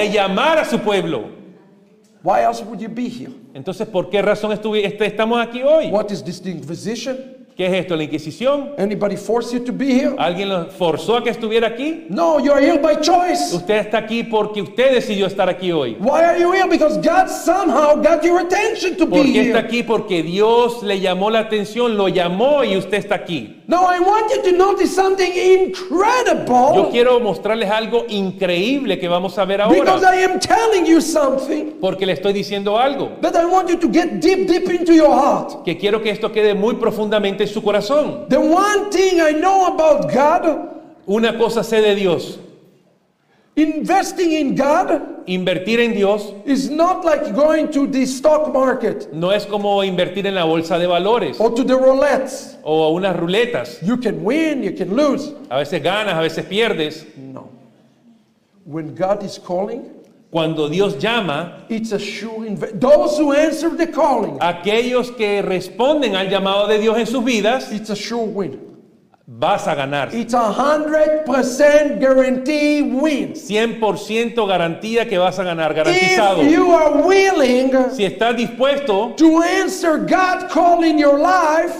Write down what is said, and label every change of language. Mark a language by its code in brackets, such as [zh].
[es] De llamar a su pueblo. [en] Why else would you be here? [es] Entonces, ¿por qué razón estamos aquí hoy? [en] What is this, the Inquisition? [es] ¿Qué es esto, la Inquisición? [en] Anybody force you to be here? [es] ¿Alguien lo forzó a que estuviera aquí? [en] No, you are here by choice. [es] Usted está aquí porque usted decidió estar aquí hoy. [en] Why are you here? Because God somehow got your attention to be here. [es] ¿Por qué está aquí? Porque Dios le llamó la atención, lo llamó y usted está aquí. [en] Now I want you to notice something incredible. [es] Yo quiero mostrarles algo increíble que vamos a ver ahora. [en] Because I am telling you something. [es] Porque le estoy diciendo algo. [en] That I want you to get deep into your heart. [es] Que quiero que esto quede muy profundamente en su corazón. [en] The one thing I know about God. [es] Una cosa sé de Dios. [en] Investing in God. [es] Invertir en Dios. [en] Is not like going to the stock market. [es] No es como invertir en la bolsa de valores. [en] Or to the roulettes. [es] O a unas ruletas. [en] You can win, you can lose. [es] A veces ganas, a veces pierdes. [en] No. When God is calling. [es] Cuando Dios llama, [en] it's a sure those who answer the calling, [es] aquellos que responden al llamado de Dios en sus vidas, [en] it's a sure win. [es] Vas a ganar. [en] It's a 100% guarantee win. [es] 100% garantía que vas a ganar, garantizado. [en] If you are willing, [es] si estás dispuesto, [en] to answer God calling your life,